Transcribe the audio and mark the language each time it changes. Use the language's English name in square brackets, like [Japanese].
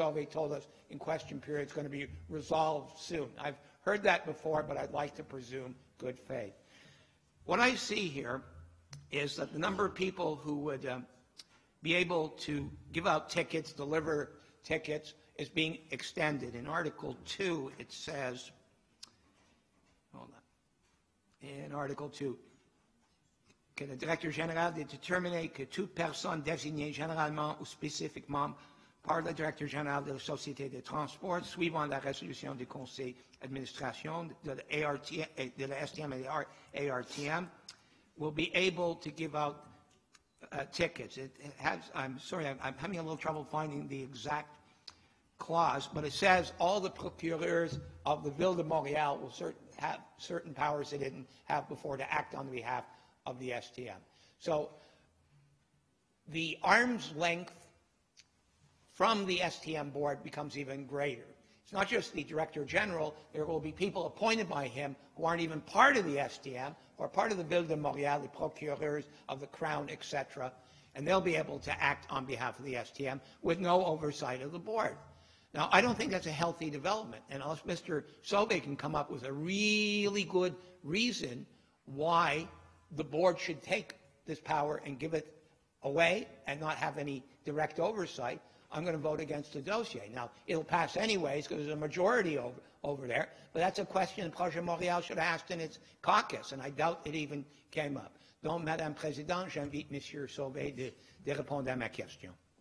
[English] Solvay told us in question period is going to be resolved soon. I've heard that before, but I'd like to presume good faith. What I see here is that the number of people who would be able to give out tickets, deliver tickets, is being extended. In Article 2, it says, hold on, in Article 2, [French] que le directeur général de déterminer que toute personne désignée généralement ou spécifiquement par le directeur général de la société de transport, suivant la résolution du conseil d'administration de la ART, de la STM et de l'ARTM, [English] will be able to give out tickets. I'm having a little trouble finding the exact clause, but it says all the procureurs of the Ville de Montréal will have certain powers they didn't have before to act on behalf of the STM. So the arm's length from the STM board becomes even greater. It's not just the director general, there will be people appointed by him who aren't even part of the STM or part of the Ville de Montréal, the procureurs of the Crown, etc., and they'll be able to act on behalf of the STM with no oversight of the board. Now, I don't think that's a healthy development, and unless Mr. Solvay can come up with a really good reason why the board should take this power and give it away and not have any direct oversight, I'm going to vote against the dossier. Now, it'll pass anyways because there's a majority over there, but that's a question the Projet Montréal should have asked in its caucus, and I doubt it even came up. [French] Donc, Madame Présidente, j'invite Monsieur Solvay de répondre à ma question.